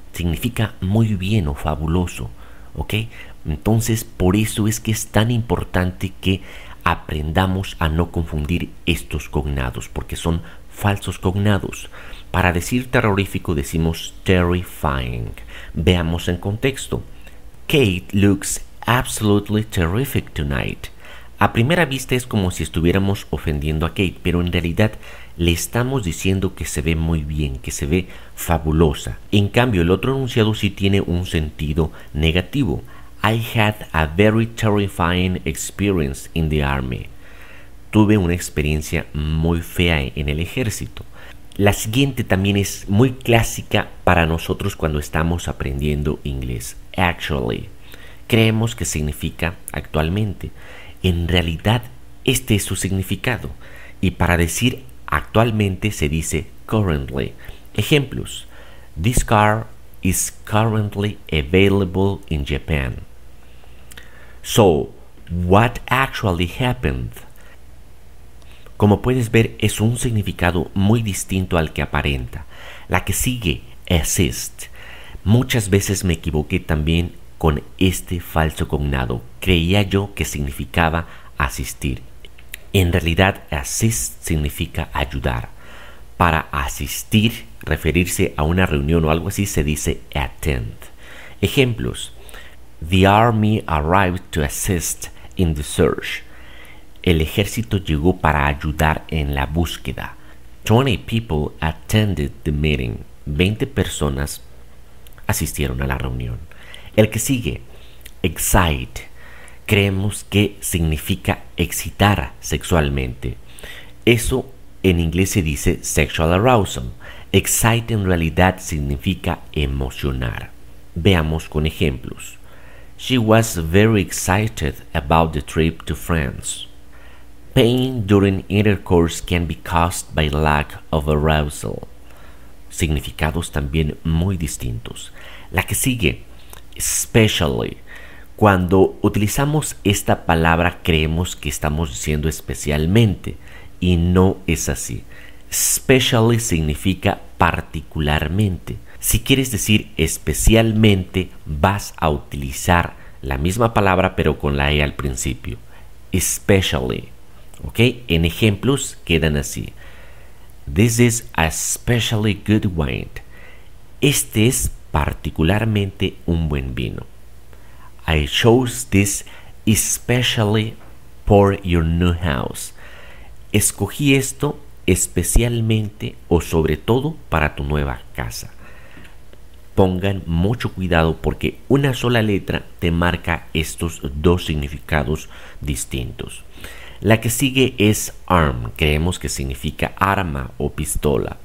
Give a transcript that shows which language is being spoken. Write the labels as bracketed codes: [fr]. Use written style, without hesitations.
[es] Significa muy bien o fabuloso, ¿ok? Entonces, por eso es que es tan importante que aprendamos a no confundir estos cognados, porque son falsos cognados. Para decir terrorífico decimos terrifying. Veamos en contexto. [en] Kate looks absolutely terrific tonight. [es] A primera vista es como si estuviéramos ofendiendo a Kate, pero en realidad le estamos diciendo que se ve muy bien, que se ve fabulosa. En cambio, el otro enunciado sí tiene un sentido negativo. [en] I had a very terrifying experience in the army. [es] Tuve una experiencia muy fea en el ejército. La siguiente también es muy clásica para nosotros cuando estamos aprendiendo inglés. Actually. Creemos que significa actualmente. En realidad, este es su significado. Y para decir actualmente se dice currently. Ejemplos. [en] This car is currently available in Japan. So, what actually happened? [es] Como puedes ver, es un significado muy distinto al que aparenta. La que sigue, assist. Muchas veces me equivoqué también con este falso cognado. Creía yo que significaba asistir. En realidad, assist significa ayudar. Para asistir, referirse a una reunión o algo así, se dice attend. Ejemplos. [en] The army arrived to assist in the search. [es] El ejército llegó para ayudar en la búsqueda. [en] 20 people attended the meeting. [es] 20 personas asistieron a la reunión. El que sigue, excite, creemos que significa excitar sexualmente. Eso en inglés se dice sexual arousal. Excite en realidad significa emocionar. Veamos con ejemplos. [en] She was very excited about the trip to France. Pain during intercourse can be caused by lack of arousal. [es] Significados también muy distintos. La que sigue, especially. Cuando utilizamos esta palabra creemos que estamos diciendo especialmente y no es así. Especially significa particularmente. Si quieres decir especialmente, vas a utilizar la misma palabra pero con la E al principio. Especially. ¿Ok? En ejemplos quedan así. [en] This is a especially good wine. [es] Este es particularmente un buen vino. [en] I chose this especially for your new house. [es] Escogí esto especialmente o sobre todo para tu nueva casa. Pongan mucho cuidado porque una sola letra te marca estos dos significados distintos. La que sigue es arm. Creemos que significa arma o pistola.